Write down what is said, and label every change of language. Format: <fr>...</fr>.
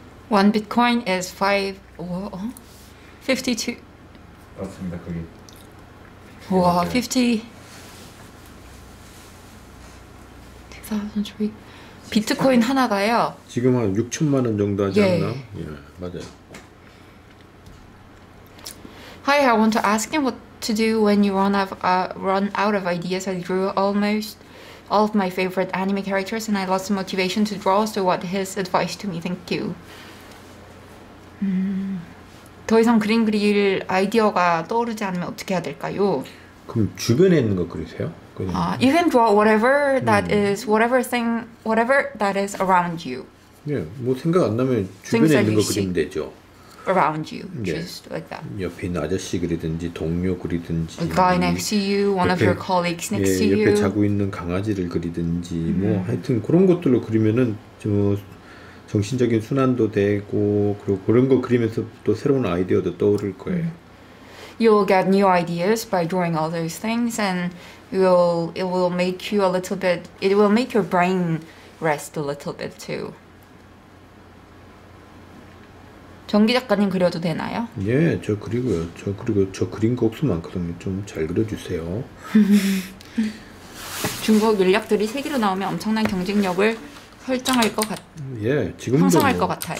<en>1 bitcoin is 52</en> <ko>맞습니다. 거기 와 50 2003 비트코인 하나가요. 지금 한 6천만 원 정도 하지 않나? 예. 예. 맞아요.</ko> <en>Hi, I want to ask you what to do when you run out of ideas. I drew almost all of my favorite anime characters and I lost the motivation to draw. So what his advice to me? Thank you.</en> <ko>더 이상 그림 그릴 아이디어가 떠오르지 않으면 어떻게 해야 될까요? 그럼 주변에 있는 거 그리세요?</ko> <en>아, you can draw whatever that is, whatever thing, whatever that is around you.</en> <ko>예, 뭐 생각 안 나면 주변에 있는 거 그리면 되죠.</ko> <en>around you, just like that.</en> <ko>옆에 아저씨 그리든지 동료 그리든지.</ko> <en>A guy next to you, one of your colleagues next to you.</en> <ko>옆에 자고 있는 강아지를 그리든지 뭐 하여튼 그런 것들로 그리면은 좀 정신적인 순환도 되고 그리고 그런 거 그리면서 또 새로운 아이디어도 떠오를 거예요.</ko> <en>You'll get new ideas by drawing all those things, and it will make you a little bit. It will make your brain rest a little bit too.</en> <ko>정기 작가님 그려도 되나요? 예, 저 그리고요. 저 그리고 저 그린 거 없으면 많거든요. 좀 잘 그려주세요. 중국 인력들이 세계로 나오면 엄청난 경쟁력을 설정할 것 같. 예, 지금도 형성할 것 같아요.</ko>